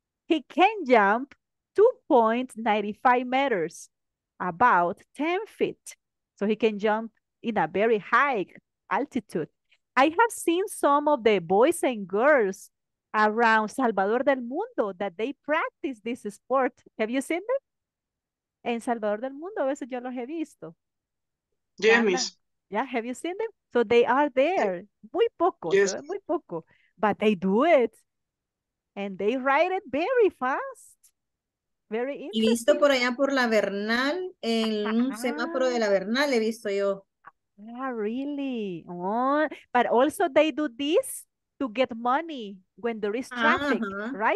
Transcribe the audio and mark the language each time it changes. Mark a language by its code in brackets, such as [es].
[en] He can jump 2.95 meters, about 10 feet. So he can jump in a very high altitude. I have seen some of the boys and girls around Salvador del Mundo that they practice this sport. Have you seen them? [es] En Salvador del Mundo, a veces yo los he visto. [en] Yes, miss. Yeah, have you seen them? So they are there. [es] Muy poco, [en] yes. [es] Muy poco. [en] But they do it. And they ride it very fast. Very interesting. [es] He visto por allá por la Bernal, en un semáforo de la Bernal he visto yo. [en] Yeah, really? Oh, but also they do this to get money when there is traffic, right?